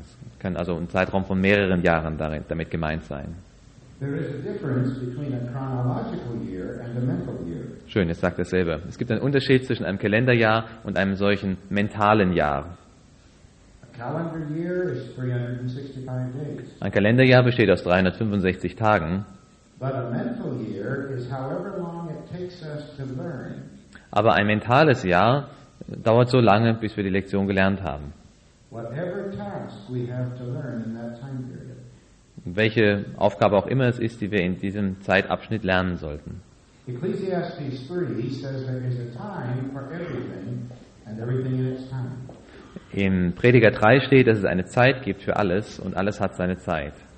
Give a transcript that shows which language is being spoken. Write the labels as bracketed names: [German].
[German] Es kann also ein Zeitraum von mehreren Jahren damit gemeint sein. [English] There is a difference between a chronological year and a mental year. [German] Schön, jetzt sagt dasselbe. Es gibt einen Unterschied zwischen einem Kalenderjahr und einem solchen mentalen Jahr. [English] A calendar year is 365 days. [German] Ein Kalenderjahr besteht aus 365 Tagen. [English] But a mental year is however long it takes us to learn. [German] Aber ein mentales Jahr dauert so lange, bis wir die Lektion gelernt haben. [English] Whatever task we have to learn in that time period. [German] Welche Aufgabe auch immer es ist, die wir in diesem Zeitabschnitt lernen sollten. [English] Ecclesiastes 3 says there is a time for everything and everything in its time. [German] In Prediger 3 steht, dass es eine Zeit gibt für alles und alles hat seine Zeit.